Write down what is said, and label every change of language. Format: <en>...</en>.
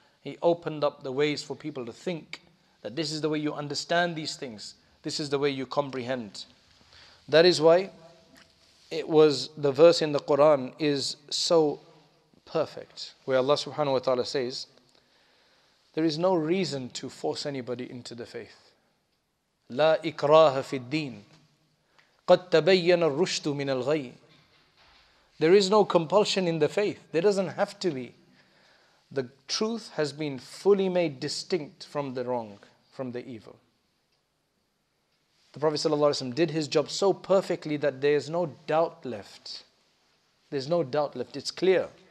<en>He opened up the ways for people to think that this is the way you understand these things. This is the way you comprehend. That is why it was the verse in the Quran is so perfect, where Allah subhanahu wa ta'ala says, there is no reason to force anybody into the faith.</en> <ar>لا إكراه في الدين قد تبين الرشد من الغي.</ar> <en>There is no compulsion in the faith. There doesn't have to be. The truth has been fully made distinct from the wrong, from the evil. The Prophet ﷺ did his job so perfectly that there is no doubt left. There's no doubt left. It's clear.</en>